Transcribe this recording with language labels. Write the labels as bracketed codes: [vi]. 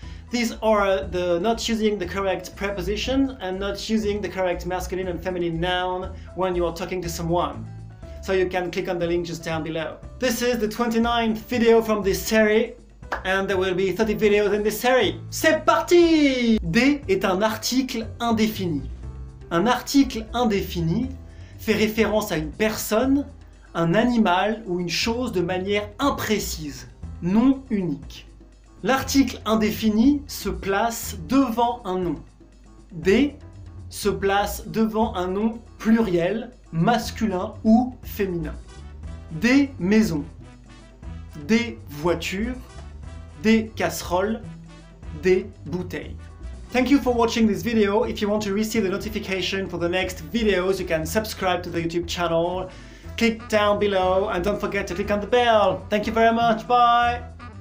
[en] These are the not using the correct preposition and not using the correct masculine and feminine noun when you are talking to someone. So you can click on the link just down below. This is the 29th video from this series, and there will be 30 videos in this series. [fr] C'est parti! D est un article indéfini. Un article indéfini fait référence à une personne, un animal ou une chose de manière imprécise, non unique. L'article indéfini se place devant un nom. D se place devant un nom pluriel, masculin ou féminin. Des maisons, des voitures, des casseroles, des bouteilles. [en] Thank you for watching this video. If you want to receive the notification for the next videos, you can subscribe to the YouTube channel. Click down below and don't forget to click on the bell. Thank you very much. Bye.